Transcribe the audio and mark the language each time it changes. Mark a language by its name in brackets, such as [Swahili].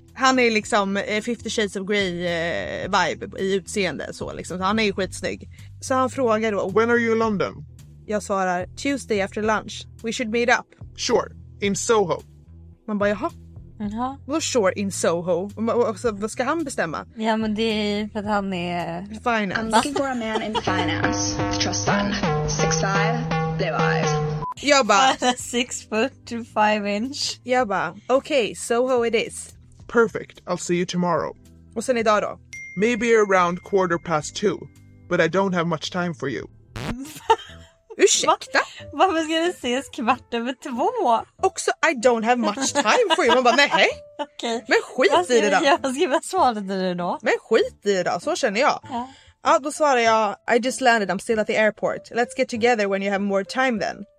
[Swedish] Han är liksom 50 Shades of Grey vibe i utseende så liksom. Så han är ju skitsnygg. Så han frågar då, [English] when are you in London? [Swedish] Jag svarar, [English] Tuesday after lunch. We should meet up. Sure, in Soho. [Swedish] Man bara, jaha. Vadå [English] sure in Soho? [Swedish] Vad ska han bestämma? Ja, men det är för att han är... [English] finance. I'm looking for a man in finance. Trust fund. 6'5", blue eyes. [Swedish] Jag bara... [English] 6'5". [Swedish] Jag bara, [English] okay, Soho it is. Perfect. I'll see you tomorrow. [Swedish] Och sen idag då? [English] Maybe around 2:15, but I don't have much time for you. [Swedish] Ursäkta? Varför ska du ses 2:15? Också, [English] I don't have much time for you. [Swedish] Man bara, nej. Okej. Okay. Men skit vad i det då. Vad ska jag svara till dig då? Men skit i det då, så känner jag. Ja. Ja, då svarar jag, [English] I just landed, I'm still at the airport. Let's get together when you have more time then.